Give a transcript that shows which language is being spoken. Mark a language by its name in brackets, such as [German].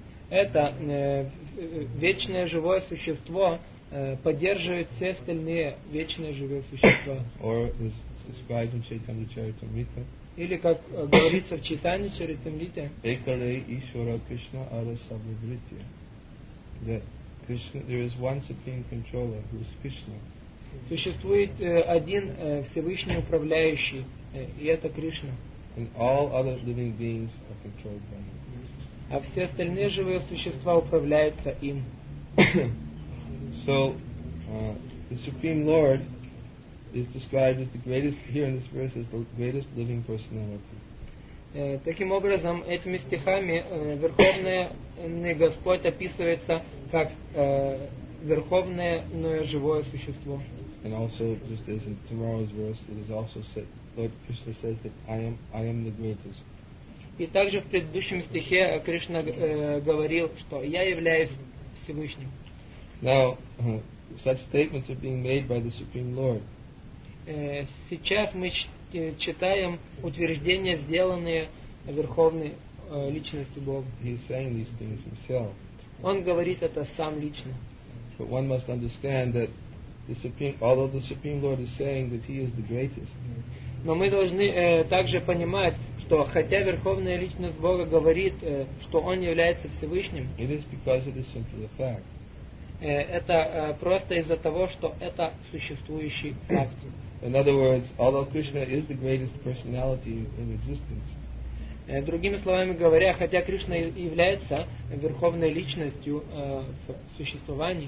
[Russian] Это вечное живое существо поддерживает все остальные вечные живые существа. [English] Or is described in Chaitanya Charitamrita. [Russian] Или как говорится в Чайтанье Чаритамрите. [Bangla] Экале Ишвара Кришна Ара Сабхавритти. [English] That Krishna, there is one supreme controller who is Krishna. [Russian] Существует один Всевышний управляющий, и это Кришна. [English] And all other living beings are controlled by him. [Russian] А все остальные живые существа управляются им. [English] So, the Supreme Lord is described as the greatest, here in this verse, as the greatest living personality. [Russian] Таким образом, этими стихами Верховный Господь описывается как верховное, но живое существо. [English] And also, just as in tomorrow's verse, it is also said, Lord Krishna says that I am the greatest. [Russian] И также в предыдущем стихе Кришна говорил, что я являюсь Всевышним. [English] Now, such statements are being made by the Supreme Lord. [Russian] Сейчас мы читаем утверждения, сделанные Верховной Личностью Бога. [English] He is saying these things himself. [Russian] Он говорит это сам лично. [English] But one must understand that although the Supreme Lord is saying that he is the greatest. [Russian] Но мы должны также понимать, что хотя Верховная Личность Бога говорит, что Он является Всевышним, [English] it is because it is simply a fact. [Russian] Это просто из-за того, что это существующий факт. [English] In other words, although Krishna is the greatest personality in existence, [Russian] другими словами говоря, хотя Кришна является Верховной Личностью в существовании,